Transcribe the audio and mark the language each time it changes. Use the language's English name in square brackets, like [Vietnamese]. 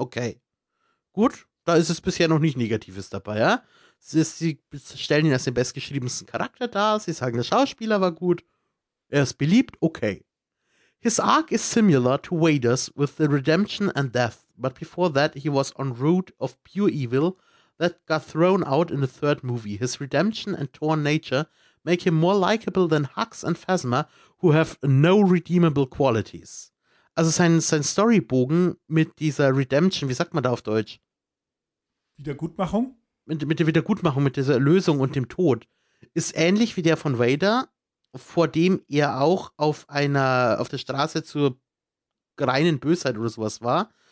[German] Okay, gut, da ist es bisher noch nicht Negatives dabei, ja? Sie stellen ihn als den bestgeschriebensten Charakter dar, sie sagen, der Schauspieler war gut, er ist beliebt, okay. [English] His arc is similar to Vader's with the redemption and death, but before that he was en route of pure evil that got thrown out in the 3rd movie. His redemption and torn nature make him more likable than Hux and Phasma, who have no redeemable qualities. [German] Also sein Storybogen mit dieser Redemption, wie sagt man da auf Deutsch? Wiedergutmachung? Mit der Wiedergutmachung, mit dieser Erlösung und dem Tod, ist ähnlich wie der von Vader, vor dem er auch auf der Straße zur reinen Bösheit oder sowas war.